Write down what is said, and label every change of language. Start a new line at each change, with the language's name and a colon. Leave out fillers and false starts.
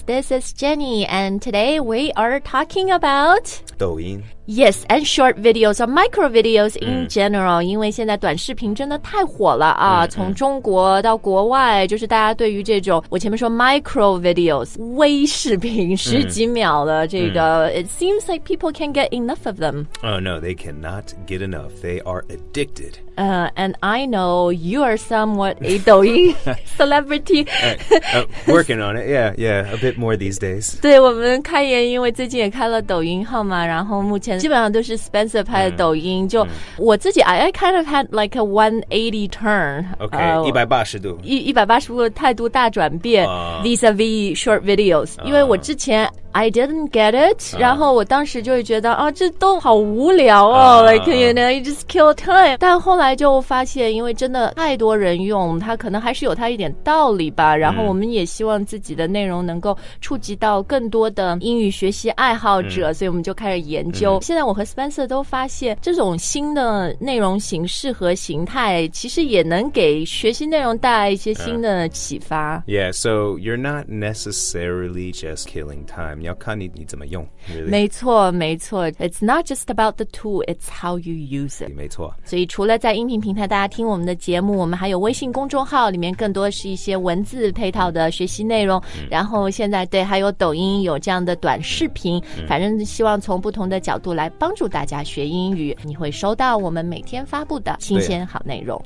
English: This is Jenny, and today we are talking about
Chinese: 抖音.
English: Yes, and short videos or micro videos in general.
Chinese: 因为现在短视频真的太火了啊！从中国到国外，就是大家对于这种我前面说
English: micro videos
Chinese: 微视频十几秒的这个
English: it seems like people can't get enough of them. Oh no, they cannot get enough. They are addicted. And I know you are somewhat a 抖音 celebrity. Working on it. Yeah, yeah, a bit more these days.
Chinese: 对，我们开言，因为最近也开了抖音号嘛，然后目前。基本上都是 Spencer 拍的抖音就我自己
English: I kind of had like a 180 turn OK 180度
Chinese: 180度的态度大转变
English: vis-a-vis short videos
Chinese: 因为我之前
English: I didn't get it.
Chinese: 然后我当时就会觉得啊，这都好无聊哦。
English: Like you know, you just kill time.
Chinese: 但后来就发现，因为真的太多人用，它可能还是有它一点道理吧。然后我们也希望自己的内容能够触及到更多的英语学习爱好者，所以我们就开始研究。现在我和 Spencer 都发现，这种新的内容形式和形态，其实也能给学习内容带来一些新的启发。
English: Yeah, so you're not necessarily just killing time.
Chinese: 你要看 你怎么用、really. 没错没错
English: It's not just about the tool It's how you use it
Chinese: 没错所以除了在音频平台大家听我们的节目我们还有微信公众号里面更多是一些文字配套的学习内容、然后现在对还有抖音有这样的短视频、反正希望从不同的角度来帮助大家学英语你会收到我们每天发布的新鲜好内容、